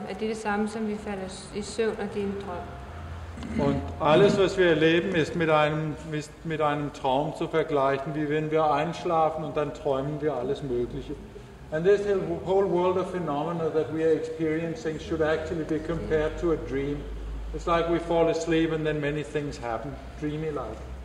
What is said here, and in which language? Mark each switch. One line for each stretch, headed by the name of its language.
Danish: Er det det samme som vi falder i søvn, og det er en drøm?
German: Und alles, was wir erleben, ist mit einem Traum zu vergleichen, wie wenn wir einschlafen und dann träumen wir alles Mögliche.
English: And this whole world of phenomena that we are experiencing should actually be compared to a dream. It's like we fall asleep and then many things happen, dreamy like.